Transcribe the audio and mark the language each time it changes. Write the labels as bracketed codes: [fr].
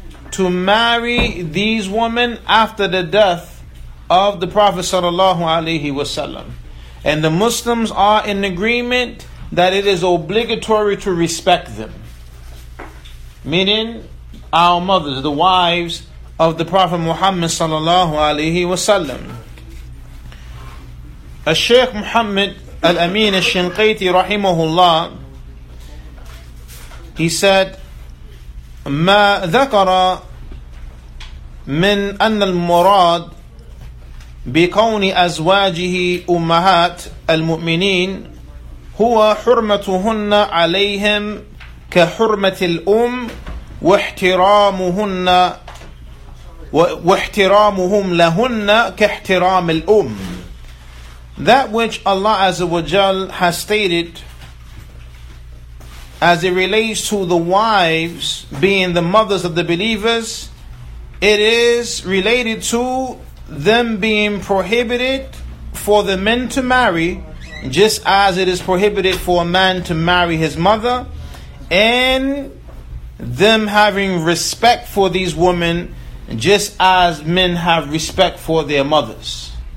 [en] to marry these women after the death of the Prophet sallallahu alaihi wasallam, and the Muslims are in agreement that it is obligatory to respect them, meaning our mothers, the wives of the Prophet Muhammad sallallahu alaihi wasallam. [ar] Al-Shaykh Muhammad Al-Amin Al-Shinqiti rahimahullah, he said, ما ذكر من أن المراد بكون أزواجه أمهات المؤمنين هو حرمتهن عليهم كحرمة الأم واحترامهن واحترامهم لهن كاحترام الأم. [en] That which Allah Azza wa Jal has stated as it relates to the wives being the mothers of the believers, it is related to them being prohibited for the men to marry, just as it is prohibited for a man to marry his mother, and them having respect for these women, just as men have respect for their mothers.